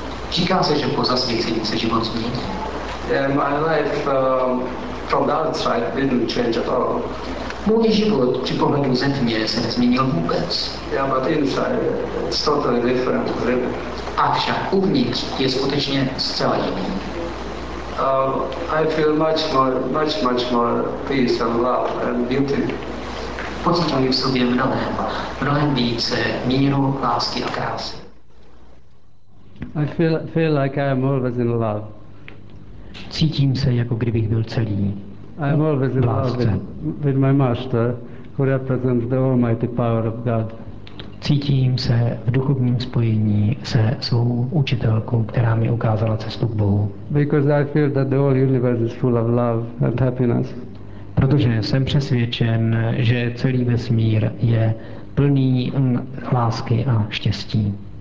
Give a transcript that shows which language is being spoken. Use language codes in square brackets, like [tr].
[cs] Říká se, že po zasvěcení se život změní. [en] Yeah, my life from the outside didn't change at all. [cs] Můj život při pohledu země se nezměnil vůbec. [en] Yeah, but inside it's totally different, really. [cs] Avšak uvnitř je skutečně zcela jiný. [en] I feel much more peace and love and beauty. [cs] Pocituji v sobě mnohem více míru, lásky a krásy. [en] I feel like I am always in love. [cs] Cítím se, jako kdybych byl celý. [en] I am always in love with my master, who represents the almighty power of God. [cs] Cítím se v duchovním spojení se svou učitelkou, která mi ukázala cestu k Bohu. [en] Because I feel that the whole universe is full of love and happiness. [cs] Protože jsem přesvědčen, že celý vesmír je plný lásky a štěstí.